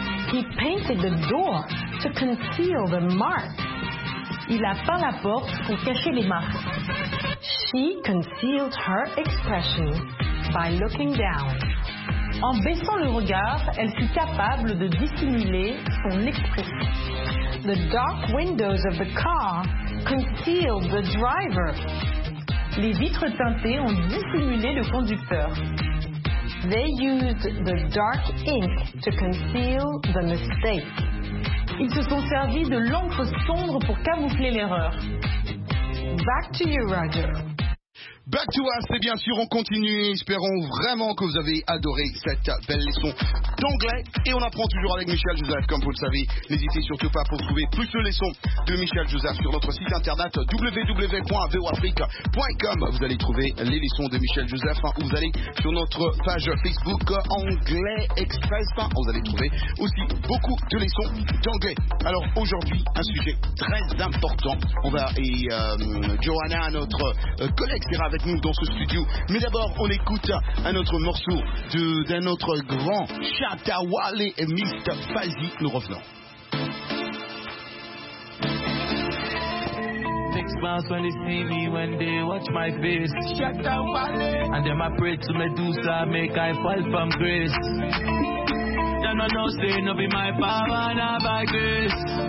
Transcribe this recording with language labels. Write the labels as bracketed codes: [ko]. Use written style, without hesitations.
[en] He painted the door to conceal the marks. [fr] Il a peint la porte pour cacher les marques. [en] She concealed her expression by looking down. [fr] En baissant le regard, elle fut capable de dissimuler son expression. [en] The dark windows of the car concealed the driver. [fr] Les vitres teintées ont dissimulé le conducteur. [en] They used the dark ink to conceal the mistake. [fr] Ils se sont servis de l'encre sombre pour camoufler l'erreur. [en] Back to you, Roger. Back to us, [fr] et bien sûr, on continue. Espérons vraiment que vous avez adoré cette belle leçon d'anglais. Et on apprend toujours avec Michel Joseph, comme vous le savez. N'hésitez surtout pas pour trouver plus de leçons de Michel Joseph sur notre site internet www.voafrique.com. Vous allez trouver les leçons de Michel Joseph. Hein, vous allez sur notre page Facebook Anglais Express. Hein, vous allez trouver aussi beaucoup de leçons d'anglais. Alors aujourd'hui, un sujet très important. On va et Johanna, notre collègue, sera avec nous dans ce studio. Mais d'abord, on écoute un autre morceau d'un autre grand Chatawale et Mist Fazi. Nous revenons. [en] Big smiles when they see me, when they watch my face. Chatawale. And then I pray to Medusa, make I fall from grace. Then I know, say, no be my power, not by grace.